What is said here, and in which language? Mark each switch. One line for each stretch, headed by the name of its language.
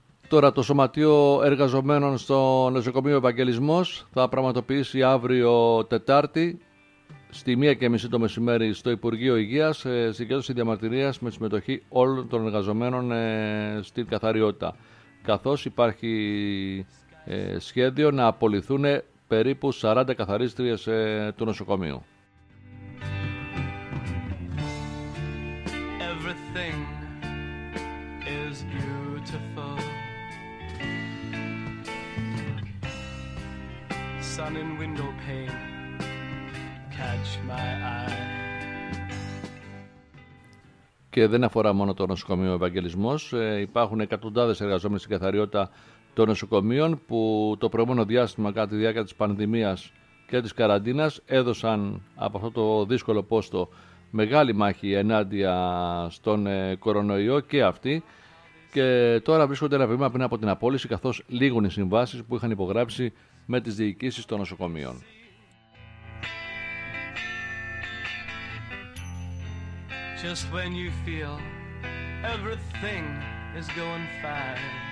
Greek: Τώρα το Σωματείο Εργαζομένων στο Νοσοκομείο Ευαγγελισμός θα πραγματοποιήσει αύριο Τετάρτη στη 1:30 το μεσημέρι στο Υπουργείο Υγείας συγκέντρωση διαμαρτυρίας με συμμετοχή όλων των εργαζομένων στην καθαριότητα, καθώς υπάρχει σχέδιο να απολυθούν περίπου 40 καθαρίστριες του νοσοκομείου.
English: Everything is beautiful. sun in windowpane. Catch my eye.
Greek: Και δεν αφορά μόνο το νοσοκομείο Ευαγγελισμός. Υπάρχουν εκατοντάδες εργαζόμενοι στην καθαριότητα των νοσοκομείων που το προηγούμενο διάστημα κατά τη διάρκεια της πανδημίας και της καραντίνας έδωσαν από αυτό το δύσκολο πόστο μεγάλη μάχη ενάντια στον κορονοϊό και αυτοί. Και τώρα βρίσκονται ένα βήμα πριν από την απόλυση, καθώς λήγουν οι συμβάσεις που είχαν υπογράψει με τις διοικήσεις των νοσοκομείων.
English: Just when you feel everything is going fine,